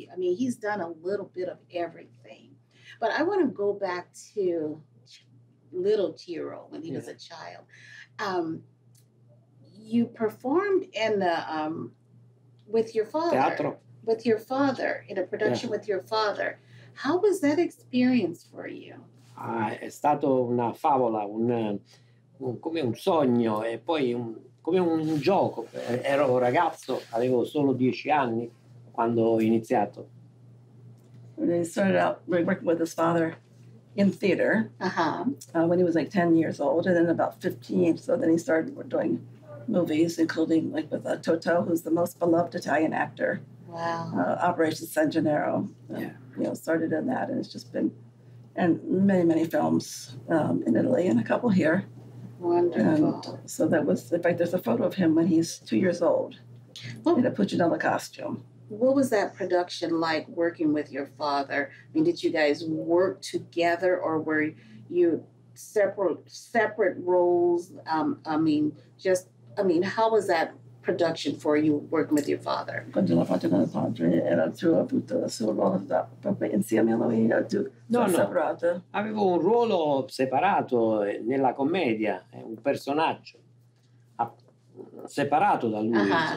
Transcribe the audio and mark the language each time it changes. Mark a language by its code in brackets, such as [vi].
[en] I mean, he's done a little bit of everything. But I want to go back to little Ciro when he was a child. You performed in the... with your father, [it] Teatro. [en] With your father, in a production with your father. How was that experience for you? [it] È stato una favola, come un sogno e poi come un gioco. Ero ragazzo, avevo solo 10 anni quando ho iniziato. [en] When he started out working with his father in theater, when he was like 10 years old, and then about 15, so then he started doing movies, including like with Toto, who's the most beloved Italian actor. Wow. Operation San Gennaro. You know, started in that, and it's just been, and many, many films in Italy and a couple here. Wonderful. And so that was, in fact, there's a photo of him when he's 2 years old in a Puccinella costume. What was that production like working with your father? I mean, did you guys work together or were you separate roles? How was that production for you working with your father? [it] Quando l'ho fatto con il padre, era tutto avuto il suo ruolo proprio insieme a lui. No. Avevo un ruolo separato nella commedia, un personaggio separato da lui.